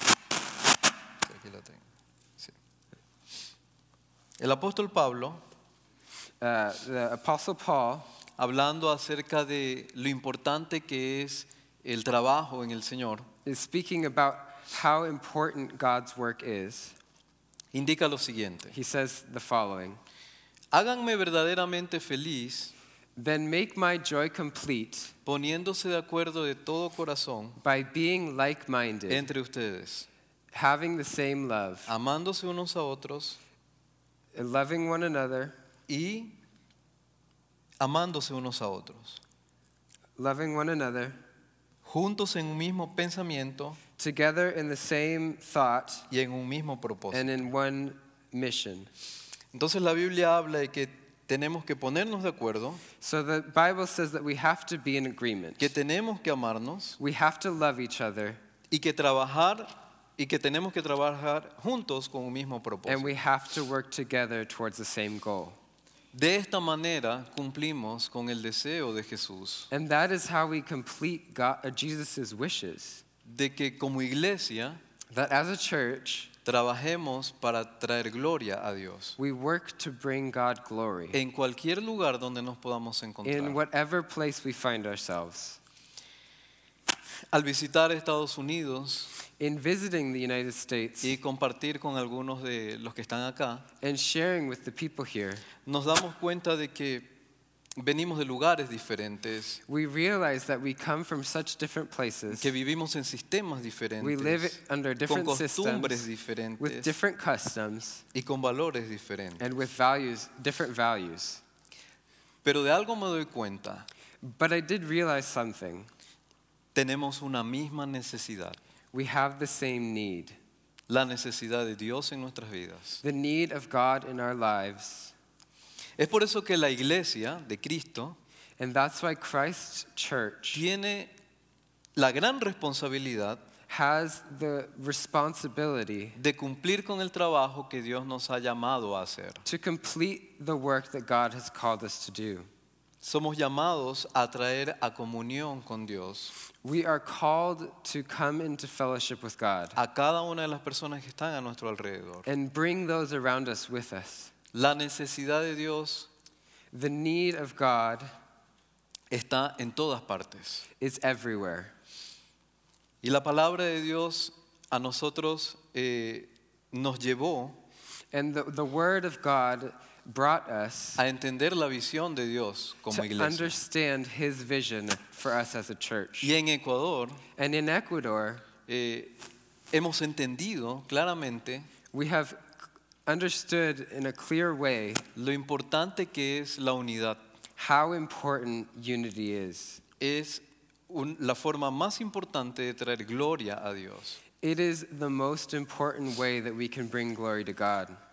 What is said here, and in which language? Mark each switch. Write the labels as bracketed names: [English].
[Spanish] Mm-hmm. Aquí lo tengo. Sí. El apóstol Pablo, [English] the apostle Paul, [Spanish] hablando acerca de lo importante que es el trabajo en el Señor, [English] is speaking about how important God's work is. [Spanish] Indica lo siguiente. [English] He says the following. [Spanish] Háganme verdaderamente feliz. [English] Then make my joy complete. [Spanish] Poniéndose de acuerdo de todo corazón. [English] By being like-minded. [Spanish] Entre ustedes. [English] Having the same love. [Spanish] Amándose unos a otros. [English] Loving one another. [Spanish] Y amándose unos a otros. [English] Loving one another. [Spanish] Juntos en un mismo pensamiento. [English] Together in the same thought [Spanish] y en un mismo propósito. [English] And in one mission. [Spanish] Entonces la Biblia habla de que tenemos que ponernos de acuerdo. [English] So the Bible says that we have to be in agreement. [Spanish] Que tenemos que amarnos. [English] We have to love each other. [Spanish] Y que tenemos que trabajar juntos con un mismo propósito. [English] And we have to work together towards the same goal. [Spanish] De esta manera cumplimos con el deseo de Jesús. [English] And that is how we complete Jesus's wishes. [Spanish] De que como iglesia, [English] that as a church, [Spanish] trabajemos para traer gloria a Dios. [English] We work to bring God glory. [Spanish] En cualquier lugar donde nos podamos encontrar. [English] In whatever place we find ourselves. [Spanish] Al visitar Estados Unidos, [English] in visiting the United States, [Spanish] y compartir con algunos de los que están acá, [English] and sharing with the people here, [Spanish] nos damos cuenta de que venimos de lugares diferentes. [English] We realize that we come from such different places. [Spanish] Que vivimos en sistemas diferentes. [English] We live under different [Spanish] con costumbres [English] systems, [Spanish] diferentes. [English] With different customs. [Spanish] Y con valores diferentes. [English] And with values, different values. [Spanish] Pero de algo me doy cuenta. [English] But I did realize something. [Spanish] Tenemos una misma necesidad. [English] We have the same need. [Spanish] La necesidad de Dios en nuestras vidas. [English] The need of God in our lives. [Spanish] Es por eso que la iglesia de Cristo, [English] and that's why Christ's church, [Spanish] tiene la gran responsabilidad, [English] has the responsibility, [Spanish] de cumplir con el trabajo que Dios nos ha llamado a hacer. [English] To complete the work that God has called us to do. [Spanish] Somos llamados a traer a comunión con Dios. [English] We are called to come into fellowship with God. [Spanish] A cada una de las personas que están a nuestro alrededor. [English] And bring those around us with us. [Spanish] La necesidad de Dios, [English] the need of God, [Spanish] está en todas partes. [English] It's everywhere. [Spanish] Y la palabra de Dios a nosotros nos llevó, [English] and the word of God brought us, [Spanish] a entender la visión de Dios como [English] to [Spanish] iglesia. [English] Understand his vision for us as a church. [Spanish] Y en Ecuador, [English] and in Ecuador, [Spanish] hemos entendido claramente, [English] we have understood in a clear way [Spanish] lo importante que es la unidad. [English] How important unity is. [Spanish] Es la forma más importante de traer gloria a Dios. [English] It is the most important way that we can bring glory to God.